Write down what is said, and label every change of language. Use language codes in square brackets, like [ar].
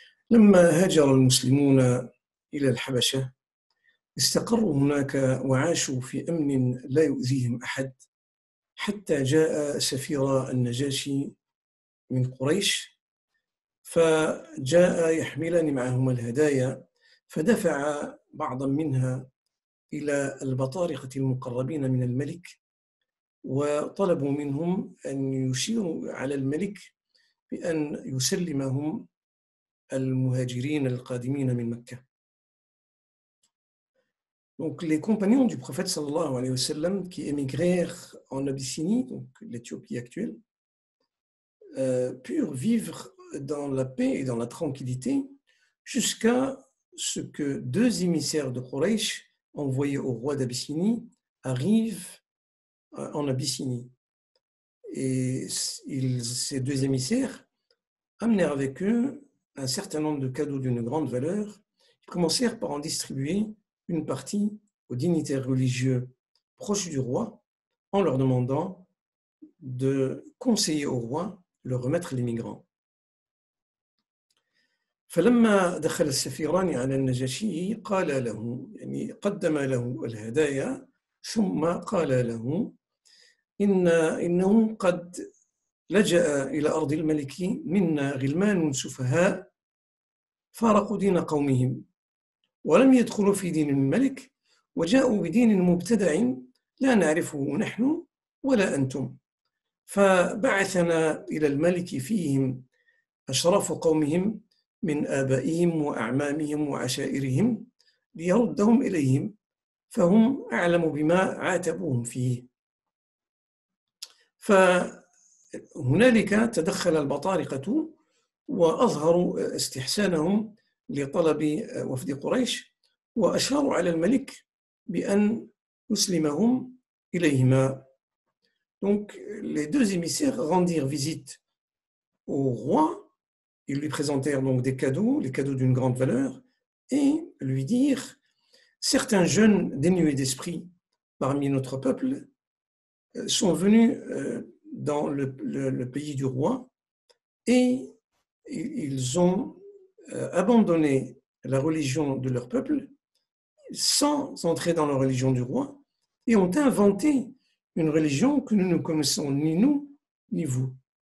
[ar] لما هاجر المسلمون إلى الحبشة استقروا هناك وعاشوا في أمن لا يؤذيهم أحد، حتى جاء سفير النجاشي من قريش، فجاء يحملان معهما الهدايا، فدفع بعضا منها إلى البطارقة المقربين من الملك، وطلبوا منهم أن يشيروا على الملك بأن يسلمهم المهاجرين القادمين من مكة. [fr] Donc les compagnons du prophète [ar] sallallahu alayhi wa sallam [fr] qui émigrèrent en Abyssinie, donc l'Éthiopie actuelle, purent vivre dans la paix et dans la tranquillité jusqu'à ce que deux émissaires de Quraysh envoyés au roi d'Abyssinie arrivent en Abyssinie. Et ces deux émissaires amenèrent avec eux un certain nombre de cadeaux d'une grande valeur. Ils commencèrent par en distribuer une partie aux dignitaires religieux proches du roi, en leur demandant de conseiller au roi de leur remettre les migrants. [ar] فلما دخل السفيران على النجاشي قال له يعني قدم له الهدايا ثم قال له إنهم قد لجأ إلى أرض الملك منا غلمان سفهاء فارقوا دين قومهم ولم يدخلوا في دين الملك وجاءوا بدين مبتدع لا نعرفه نحن ولا أنتم فبعثنا إلى الملك فيهم أشرف قومهم من آبائهم وأعمامهم وعشائرهم ليردهم إليهم فهم أعلم بما عاتبوهم فيه. فهنالك تدخل البطارقة وأظهروا استحسانهم لطلب وفد قريش وأشاروا على الملك بأن يسلمهم إليهما. [fr] Donc les deux émissaires rendirent visite au roi. Ils lui présentèrent donc des cadeaux, les cadeaux d'une grande valeur, et lui dirent « Certains jeunes dénués d'esprit parmi notre peuple sont venus dans le pays du roi et ils ont abandonné la religion de leur peuple sans entrer dans la religion du roi et ont inventé une religion que nous ne connaissons ni nous ni vous.